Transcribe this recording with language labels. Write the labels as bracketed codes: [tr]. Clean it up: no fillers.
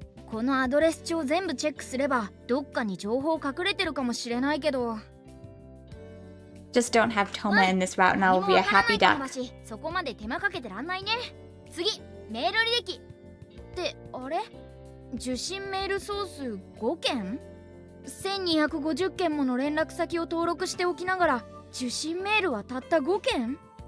[ja] このアドレス帳全部チェックすればどっかに情報隠れてるかもしれないけど。 [en] Just don't have Toma in this route and I'll be a happy duck. [ja] そこまで手間かけてらんないね。次、メール履歴。って、あれ？受信メール総数5件？1250 件もの連絡先を登録しておきながら、受信メールはたった5件？